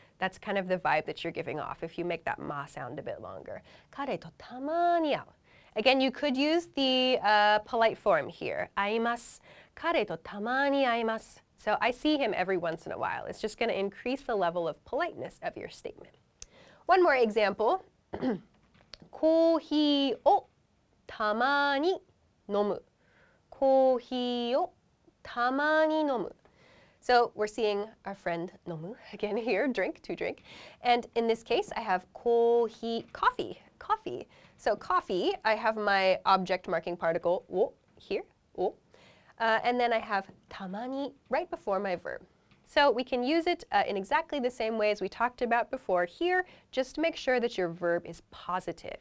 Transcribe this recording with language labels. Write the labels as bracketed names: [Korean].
[English] That's kind of the vibe that you're giving off if you make that ma sound a bit longer. [Japanese] 彼とたまに会う。 [English] Again, you could use the polite form here. [Japanese] 会います。彼とたまに会います。 [English] So I see him every once in a while. It's just going to increase the level of politeness of your statement. One more example. [Japanese] コーヒーをたまに飲む。コーヒーをたまに飲む。 [English] So we're seeing our friend 飲む again here, drink, to drink. And in this case, I have コーヒー、coffee, coffee. So coffee, I have my object marking particle を here, を. And then I have たまに right before my verb. So we can use it in exactly the same way as we talked about before here, just to make sure that your verb is positive.